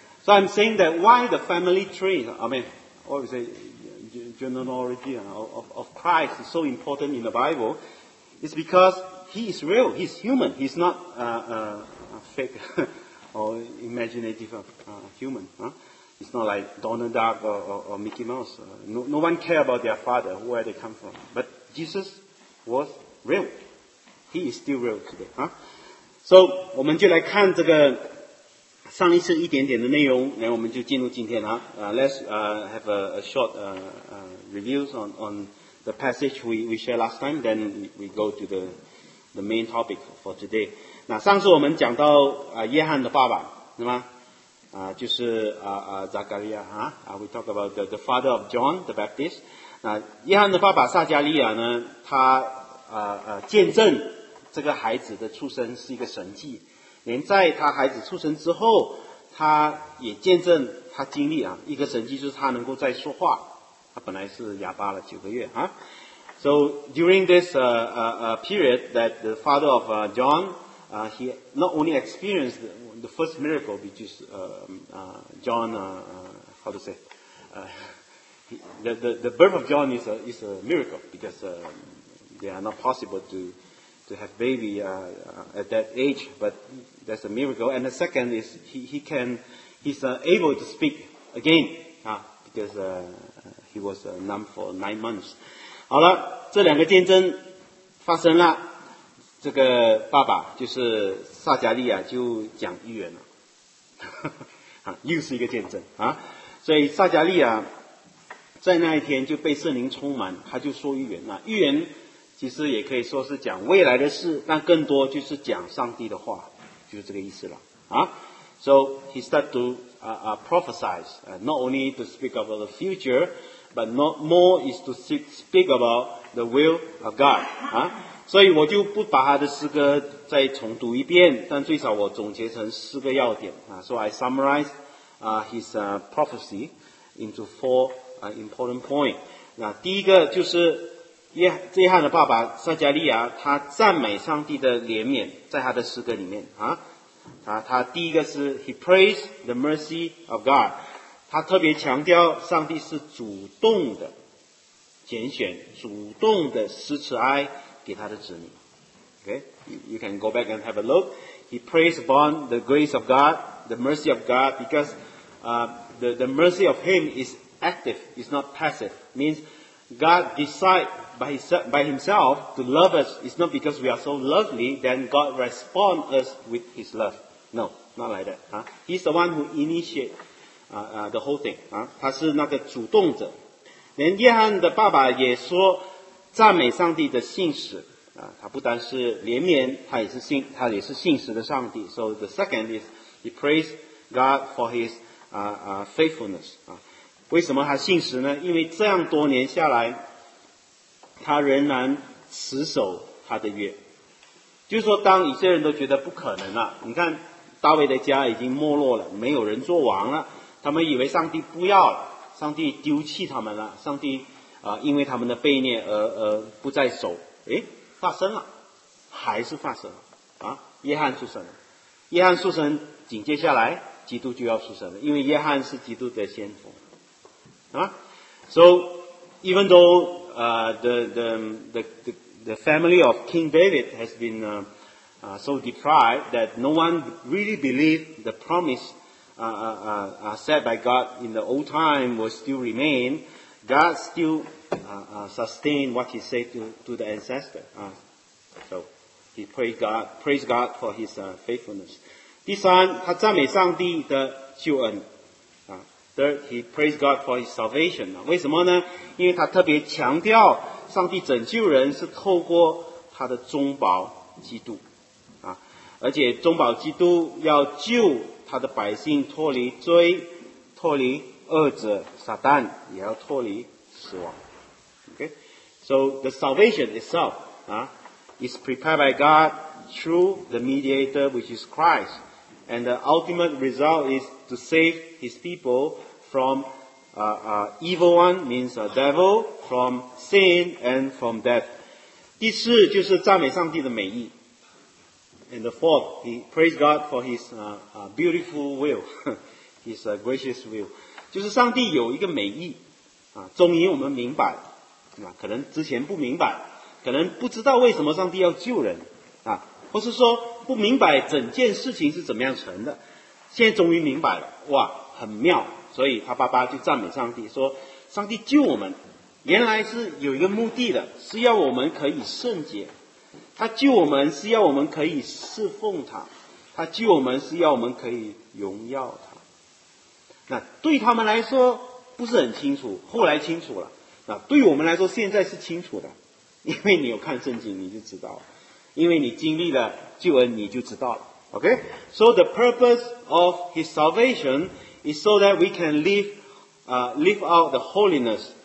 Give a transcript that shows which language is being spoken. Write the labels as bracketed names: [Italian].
[English] So I'm saying that why the family tree, I mean, obviously genealogy of Christ is so important in the Bible, is because he is real, he's human, he's not a fake or imaginative human, It's not like Donald Duck or Mickey Mouse. No one care about their father, where they come from. But Jesus was real. He is still real today. [Chinese] So, 我们就来看这个上一次一点点的内容，然后我们就进入今天了。 [English] Let's have a short review on the passage we shared last time, then we go to the main topic for today. [Chinese] 那上次我们讲到约翰的爸爸，是吗？就是 [English] Zachariah, we talk about the father of John the Baptist. [Chinese] 那约翰的爸爸撒加利亚呢，他见证这个孩子的出生是一个神迹，连在他孩子出生之后，他也见证他经历啊一个神迹，就是他能够再说话。他本来是哑巴了九个月啊。 [English] So during this period that the father of John, he not only experienced the first miracle, which is John, how to say, the birth of John is a miracle, because they are not possible to have baby at that age, but that's a miracle. And the second is he can he's able to speak again, because he was numb for 9 months. [Chinese] 好了，这两个见证发生了，这个爸爸就是撒迦利亚就讲预言了，又是一个见证啊。所以撒迦利亚在那一天就被圣灵充满，他就说预言了。预言其实也可以说是讲未来的事，但更多就是讲上帝的话，就是这个意思了啊。 [English] So he started to prophesize, not only to speak about the future, but not more is to speak about the will of God. [Chinese] 啊，所以我就不把他的诗歌再重读一遍，但最少我总结成四个要点啊。 [English] So I summarize his prophecy into four important points. [Chinese] 那第一个就是约翰的爸爸撒迦利亚，他赞美上帝的怜悯，在他的诗歌里面啊。他第一个是 [English] he praised the mercy of God， [Chinese] 他特别强调上帝是主动的拣选，主动的施慈爱给他的子女。 [English] Okay, you can go back and have a look. He praised upon the grace of God, the mercy of God, because the mercy of Him is active, is not passive. Means God decide by Himself to love us. It's not because we are so lovely then God respond us with His love. No, not like that. He's the one who initiate the whole thing. [Chinese] 他是那个主动者。连约翰的爸爸也说赞美上帝的信实。他不单是怜悯，他也是信实的上帝。 [English] So the second is he praised God for his faithfulness. [Chinese] 为什么他信实呢？因为这样多年下来他仍然持守他的约。就是说当以色列人都觉得不可能了，你看大卫的家已经没落了，没有人做王了，他们以为上帝不要了，上帝丢弃他们了，上帝因为他们的悖逆而不再守，诶，发生了，还是发生了啊。约翰出生了，约翰出生紧接下来基督就要出生了，因为约翰是基督的先锋啊。 [English] So even though the family of King David has beenso deprived that no one really believed the promise set by God in the old time will still remain, God still sustained what he said to the ancestor. So he praised God for his faithfulness. [Chinese] 第三，他赞美上帝的救恩。 [English] Third, he praised God for his salvation. [Chinese] 为什么呢？因为他特别强调上帝拯救人是透过他的中保基督。而且中保基督要救他的百姓脱离罪，脱离恶者撒旦，也要脱离死亡。 [English] Okay? So the salvation itself is prepared by God through the mediator which is Christ. And the ultimate result is to save his people from evil one, means a devil, from sin and from death. [Chinese] 第四就是赞美上帝的美意。 [English] And the fourth, he praised God for his beautiful will, his gracious will. [Chinese] 就是上帝有一个美意，终于我们明白，可能之前不明白，可能不知道为什么上帝要救人，或是说不明白整件事情是怎么样成的，现在终于明白了，哇，很妙。所以他爸爸就赞美上帝说，上帝救我们，原来是有一个目的的，是要我们可以圣洁。他救我们是要我们可以侍奉他，他救我们是要我们可以荣耀他。那对他们来说不是很清楚，后来清楚了。那对我们来说现在是清楚的，因为你有看圣经你就知道了，因为你经历了救恩你就知道了。 [English] OK, so the purpose of his salvation is so that we can live out the holiness.